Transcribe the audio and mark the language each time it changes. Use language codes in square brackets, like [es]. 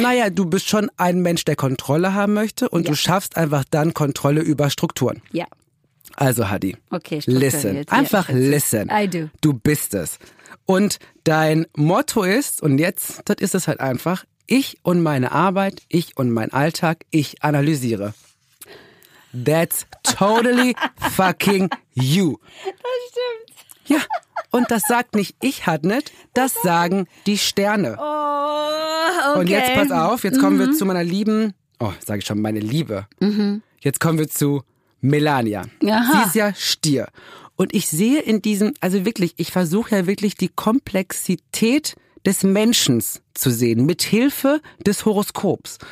[de] Naja, du bist schon ein Mensch, der Kontrolle haben möchte und du schaffst einfach dann Kontrolle über Strukturen. Ja. Also Hadi, okay, [en] listen, [de] einfach [en] listen. I do. [de] Du bist es. Und dein Motto ist, und jetzt, das ist es halt einfach, ich und meine Arbeit, ich und mein Alltag, ich analysiere. [en] That's totally fucking you. [de] Das stimmt. Ja, und das sagt nicht ich, Hadnet, das sagen die Sterne. [en] Oh, okay. [de] Und jetzt pass auf, jetzt kommen wir zu meiner lieben, meine Liebe. Mhm. Jetzt kommen wir zu Melania. Aha. Sie ist ja Stier. Und ich sehe in diesem, also wirklich, ich versuche ja wirklich die Komplexität des Menschen zu sehen, mit Hilfe des Horoskops.